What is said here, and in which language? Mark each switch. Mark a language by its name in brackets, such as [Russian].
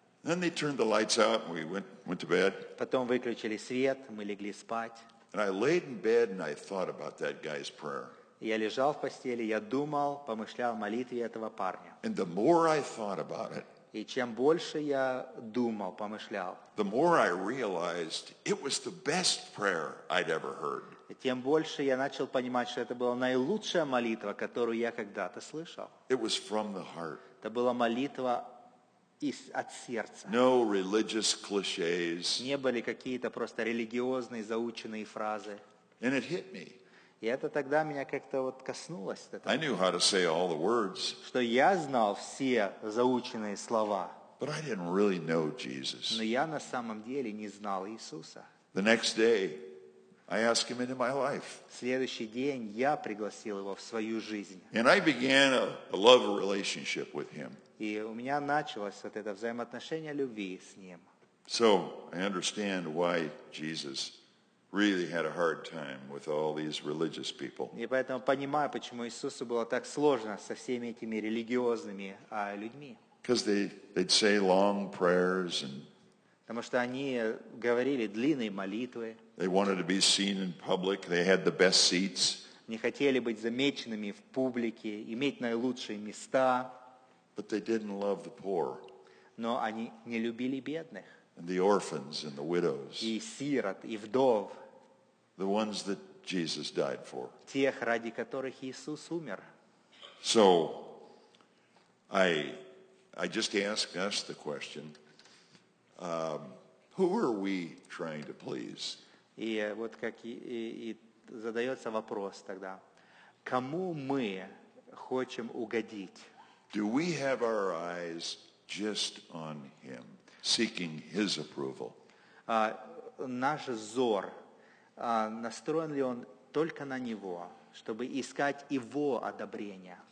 [English] Then they turned the lights out and we went to bed. [Russian] Потом выключили свет, мы легли спать. [English] And I laid in bed and I thought about that guy's prayer. [Russian] Я лежал в постели, я думал, помышлял о молитве этого парня. [English] And the more I thought about it, [Russian] и чем больше я думал, помышлял, [English] the more I realized it was the best prayer I'd ever heard. [Russian] И тем больше я начал понимать, что это была наилучшая молитва, которую я когда-то слышал. [English] It was from the heart. [Russian] Это была молитва из, от сердца. [English] No religious clichés. [Russian] Не были какие-то просто религиозные заученные фразы. [English] And it hit me. [Russian] И это тогда меня как-то вот коснулось. Это, [English] I knew how to say all the words, [Russian] что я знал все заученные слова. [English] But I didn't really know Jesus. [Russian] Но я на самом деле не знал Иисуса. [English] The next day, I asked him into my life. [Russian] Следующий день я пригласил его в свою жизнь. [English] And I began a love relationship with him. [Russian] И у меня началось вот это взаимоотношение любви с ним. [English] So I understand why Jesus really had a hard time with all these religious people. [Russian] И поэтому понимаю, почему Иисусу было так сложно со всеми этими религиозными людьми. [English] Because they'd say long prayers and. [Russian] Потому что они говорили длинные молитвы. [English] They wanted to be seen in public. They had the best seats. [Russian] Не хотели быть замеченными в публике, иметь наилучшие места. [English] But they didn't love the poor. [Russian] Но они не любили бедных. [English] And the orphans and the widows. [Russian] И сирот, и вдов. [English] The ones that Jesus died for. [Russian] Тех, ради которых Иисус умер. [English] So, I just asked the question, who are we trying to please? [Russian] И вот как и задается вопрос тогда, кому мы хочем угодить? [English] Do we have our eyes just on him? Seeking his approval. [Russian] Наш взор, настроен ли он только на него, чтобы искать его одобрение?